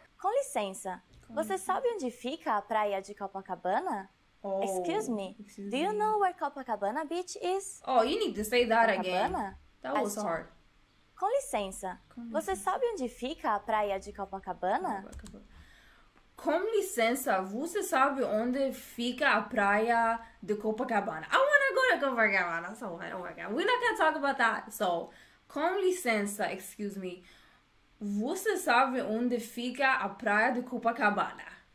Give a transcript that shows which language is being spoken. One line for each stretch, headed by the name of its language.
Portuguese: Com licença, você sabe onde fica a praia de Copacabana?
English: Oh, excuse me, do you know where Copacabana Beach is? Oh, you need to say that Copacabana? Again. That was hard.
Portuguese: Com licença, você sabe onde fica a praia de Copacabana? Com licença, você sabe onde fica a praia de Copacabana?
English: I wanna go to Copacabana, so oh my god, we're not gonna talk about that. So,
Portuguese: com licença,
English: excuse me,
Portuguese: você sabe onde fica a praia de Copacabana?